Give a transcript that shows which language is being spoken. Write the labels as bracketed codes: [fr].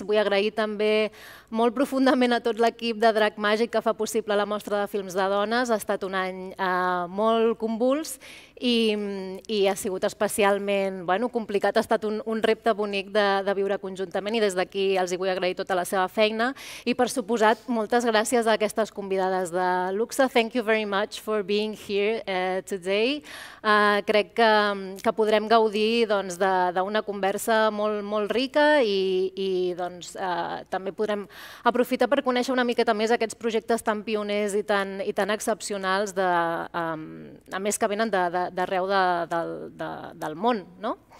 [ca] Vull agrair també molt profundament a tot l'equip de Drac Màgic que fa possible la mostra de films de dones. Ha estat un any molt convuls i ha sigut especialment bueno, complicat. Ha estat un repte bonic de viure conjuntament i des d'aquí els vull agrair tota la seva feina. I per suposat, moltes gràcies a aquestes convidades de luxe. [en] Thank you very much for being here today. [ca] Crec que podrem gaudir doncs, d'una conversa molt, molt rica i doncs, també podrem aprofitar per conèixer una miqueta més aquests projectes tan pioners i tan excepcionals, a més que venen d'arreu del món. No?